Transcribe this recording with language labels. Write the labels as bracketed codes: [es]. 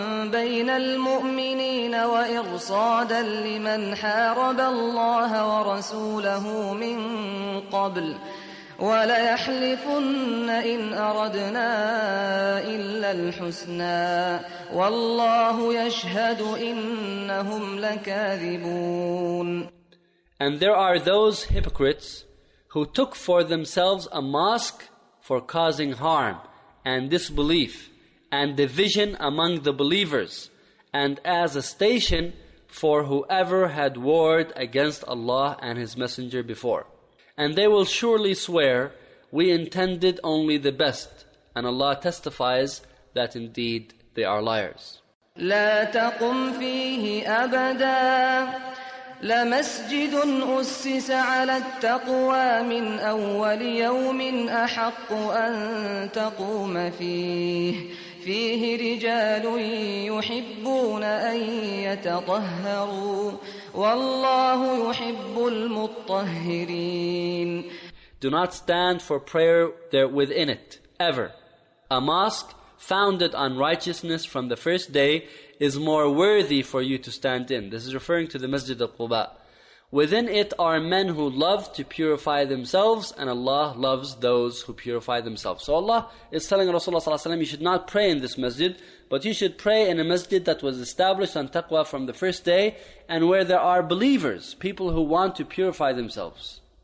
[ar] بين المؤمنين وإرصادا لمن حارب الله ورسوله من قبل وليحلفن إن أردنا إلا الحسنى والله يشهد إنهم لكاذبون. [en] And there are those hypocrites who took for themselves a mosque for causing harm and disbelief and division among the believers, and as a station for whoever had warred against Allah and His Messenger before. And they will surely swear, "We intended only the best," and Allah testifies that indeed they are liars. [ar] لا تقم فيه أبدا لمسجد أسس على التقوى من أول يوم أحق أن تقوم فيه فيه رجال يحبون أن يتطهروا والله يحب المطهرين. [en] Do not stand for prayer there within it ever. A mosque founded on righteousness from the first day is more worthy for you to stand in. This is referring to the Masjid al-Quba. Within it are men who love to purify themselves, and Allah loves those who purify themselves. So Allah is telling Rasulullah ﷺ, you should not pray in this masjid, but you should pray in a masjid that was established on taqwa from the first day, and where there are believers, people who want to purify themselves.